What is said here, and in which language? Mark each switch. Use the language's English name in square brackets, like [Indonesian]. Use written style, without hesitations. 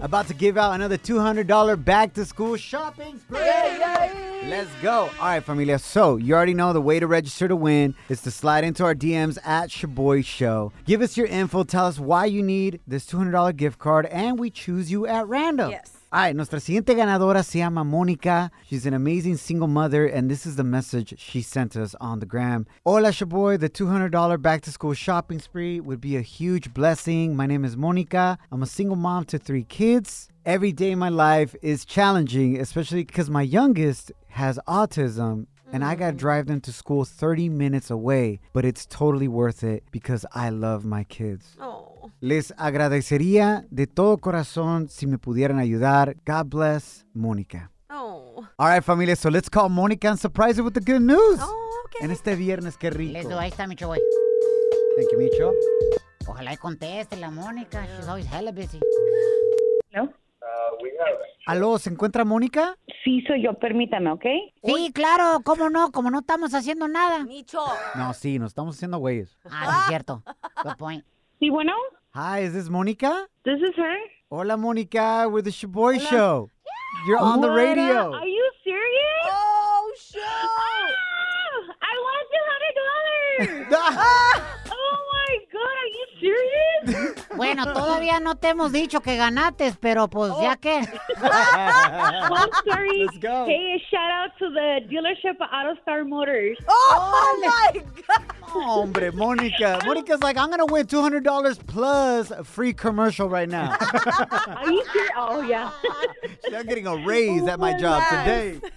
[English] About to give out another $200 back to school shopping spree. Yay, yay. Let's go. All right, familia. So, you already know the way to register to win is to slide into our DMs at Shaboy Show. Give us your info. Tell us why you need this $200 gift card, and we choose you at random. Yes. All right, [Spanish] nuestra siguiente ganadora se llama Mónica. [English] She's an amazing single mother, and this is the message she sent us on the gram. [Spanish] Hola, Shaboy. [English] The $200 back-to-school shopping spree would be a huge blessing. My name is Mónica. I'm a single mom to 3 kids. Every day in my life is challenging, especially because my youngest has autism, and I gotta drive them to school 30 minutes away, but it's totally worth it because I love my kids. [Spanish] Les agradecería de todo corazón si me pudieran ayudar. [English] God bless, Mónica. All right, familia, so let's call Mónica and surprise her with the good news. [Spanish] En este viernes, qué rico. Les doy, ahí está, Micho, boy. [English] Thank you, Micho. [Spanish] Ojalá y conteste la Mónica. [English] She's always hella busy. [Spanish] Aló, ¿se encuentra Mónica? Sí, soy yo, permítame, ¿ok? Sí, claro, ¿cómo no? Como no estamos haciendo nada. Micho. No, sí, nos estamos haciendo güeyes. Ah, sí, cierto. [English] Good point. [Spanish] Sí, bueno. [English] Hi, ¿es this Mónica? This is her. [Spanish] Hola, Mónica, [English] we're the Shaboy Show. Yeah. You're on the radio. Are you serious? Oh, show. Oh, I want $200. Oh, my God, are you serious? When [Spanish] Bueno, todavía no te hemos dicho que ganaste, pero pues ya que. [English] Well, sorry. Let's go. Hey, a shout out to the dealership of AutoStar Motors. Oh, oh my God. [Spanish] Hombre, [English] Monica. Monica's like, I'm going to win $200 plus a free commercial right now. Are you serious? Oh, yeah. She's getting a raise at my job today.